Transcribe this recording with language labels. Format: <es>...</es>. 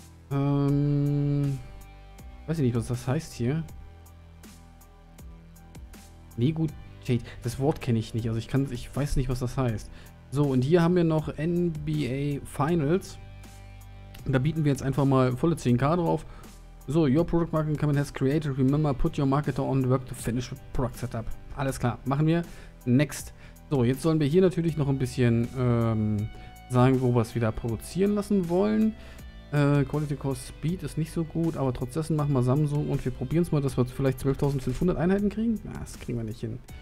<de>Weiß ich nicht, was das heißt hier. Nee, gut. Das Wort kenne ich nicht, also ich weiß nicht, was das heißt. So, und hier haben wir noch NBA Finals. Da bieten wir jetzt einfach mal volle 10k drauf.</de> <en>So, your product marketing campaign has created. Remember, put your marketer on work to finish product setup.</en> <de>Alles klar, machen wir. Next. So, jetzt sollen wir hier natürlich noch ein bisschen sagen, wo wir es wieder produzieren lassen wollen. Quality Cost Speed ist nicht so gut, aber trotzdem machen wir Samsung und wir probieren es mal, dass wir vielleicht 12.500 Einheiten kriegen. Na, das kriegen wir nicht hin.</de>